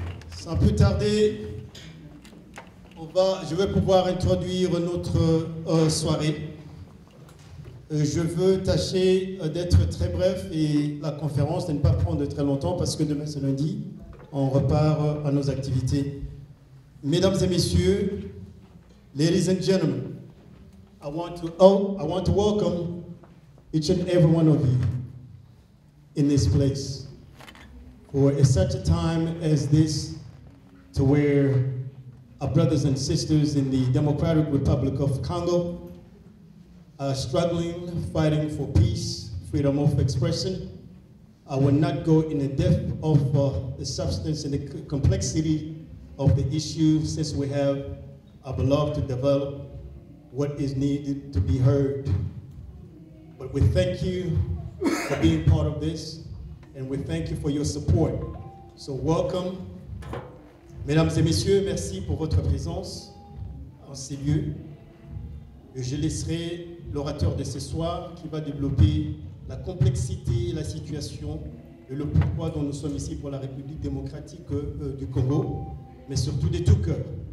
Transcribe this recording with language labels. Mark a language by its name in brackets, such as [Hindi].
[French] Sans plus tarder, je vais pouvoir introduire notre soirée. Je veux tâcher d'être très bref et la conférence de ne pas prendre très longtemps parce que demain c'est lundi, on repart à nos activités. Mesdames et messieurs, [English] ladies and gentlemen, I want to welcome each and every one of you in this place for such a time as this. To where our brothers and sisters in the Democratic Republic of Congo are struggling, fighting for peace, freedom of expression. I will not go in the depth of the substance and the complexity of the issue since we have our beloved to develop what is needed to be heard. But we thank you for being part of this and we thank you for your support. So welcome. [French] Mesdames et messieurs, merci pour votre présence en ces lieux. Je laisserai l'orateur de ce soir qui va développer la complexité, la situation et le pourquoi dont nous sommes ici pour la République démocratique du Congo, mais surtout de tout cœur.